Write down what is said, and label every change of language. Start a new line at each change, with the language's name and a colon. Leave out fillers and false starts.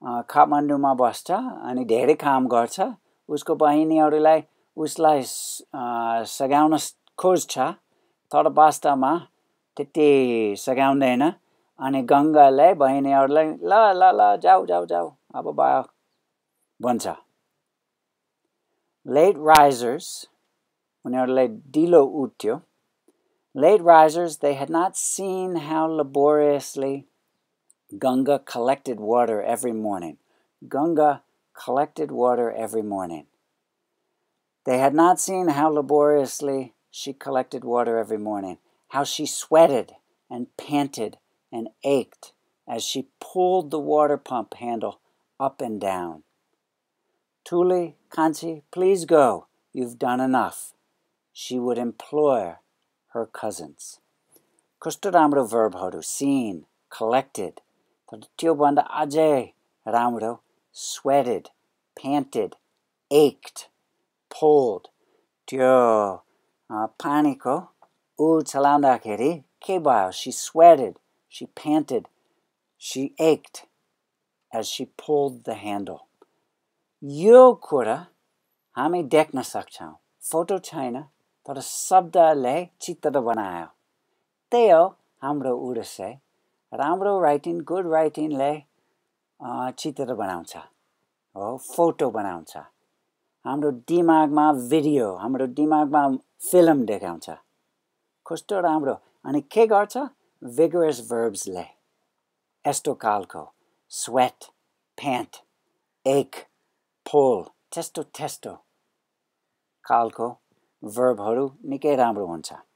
Nepali: काठमाडौँमा बस्छ अनि धेरै काम गर्छ उसको बहिनीहरूलाई उसलाई सघाउन खोज्छ तर वास्तवमा त्यति सघाउँदैन अनि गङ्गाले बहिनीहरूलाई ल ल ल जाऊ जाऊ जाऊ अब भयो भन्छ
English: late risers
Nepali: उनीहरूलाई ढिलो उठ्यो
English: Late risers they had not seen how laboriously Ganga collected water every morning. Ganga collected water every morning. They had not seen how laboriously she collected water every morning, how she sweated and panted and ached as she pulled the water pump handle up and down. Tuli, Kanchi, please go. You've done enough. She would implore her cousins.
Nepali: Kustodamro verb hodu, seen, collected. त्यो भन्दा अझै राम्रो
English: sweated, panted, ached, pulled.
Nepali: त्यो पानीको ऊ चलाउँदाखेरि के भयो
English: She sweated, she panted, she ached as she pulled the handle.
Nepali: यो कुरा हामी देख्न सक्छौँ फोटो छैन तर शब्दले चित्र बनायो त्यही हो हाम्रो उडसै राम्रो राइटिङ गुड राइटिङले चित्र बनाउँछ हो फोटो बनाउँछ हाम्रो दिमागमा भिडियो हाम्रो दिमागमा फिल्म देखाउँछ कस्तो राम्रो अनि के गर्छ विगरस वर्ब्सले यस्तो खालको स्वेट प्यान्ट एक पोल त्यस्तो त्यस्तो खालको वर्बहरू निकै राम्रो हुन्छ